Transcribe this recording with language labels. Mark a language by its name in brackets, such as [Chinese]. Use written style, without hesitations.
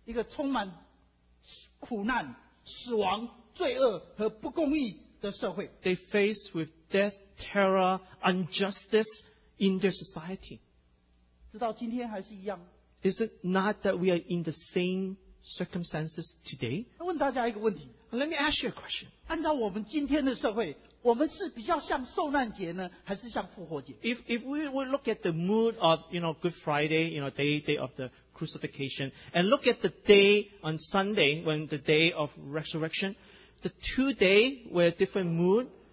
[Chinese] 一个充满苦难, 死亡, 罪恶和不公义的社会, [English] they face with death, terror, injustice in their society. [Chinese] 直到今天还是一样, [English] is it not that we are in the same circumstances today? [Chinese] 问大家一个问题, [English] let me ask you a question. [Chinese] 按照我们今天的社会, 我们是比较像受难节呢, 还是像复活节? [English] If we would look at the mood of, you know, Good Friday, you know, day of the crucifixion, and look at the day on Sunday when the day of resurrection, the 2 days were different mood.